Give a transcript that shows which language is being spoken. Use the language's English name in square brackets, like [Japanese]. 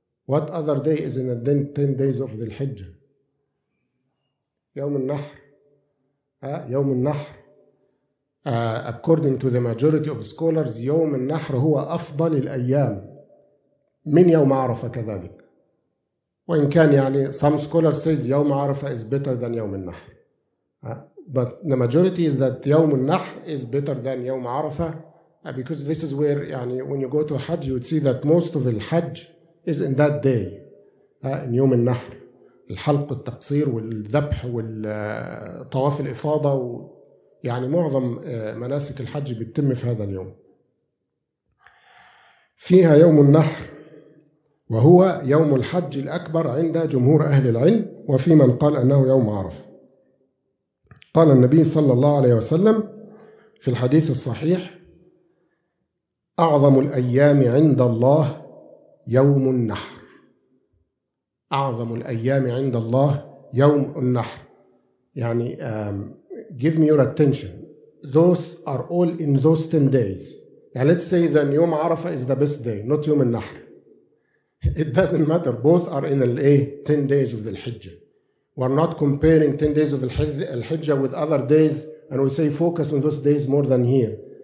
[English] What other day is in the 10 days of the Hijjah? [Arabic] يوم النحر. يوم النحر. [English] According to the majority of scholars, [Arabic] يوم النحر هو أفضل الأيام من يوم عرفة كذلك. وإن كان يعني [English] some scholars says [Arabic] يوم عرفة [English] is better than [Arabic] يوم النحر. [English] But the majority is that يوم النحر is better than يوم عرفة. Because this is where, يعني, when you go to Hajj, you would see that most of the Hajj is in that day, in يوم النحر. [Arabic] الحلق التقصير والذبح والطواف الإفاضة و... يعني معظم مناسك الحج بتتم في هذا اليوم. فيها يوم النحر وهو يوم الحج الأكبر عند جمهور أهل العلم وفي من قال أنه يوم عرفة. قال النبي صلى الله عليه وسلم في الحديث الصحيح أعظم الأيام عند الله يوم النحر. أعظم الأيام عند الله يوم النحر. [English] يعني give me your attention. Those are all in those 10 days. Yeah, let's say that يوم عرفة is the best day, not يوم النحر. It doesn't matter. Both are in the 10 days of the Hijjah. We're not comparing 10 days of the Hijjah with other days and we say focus on those days more than here.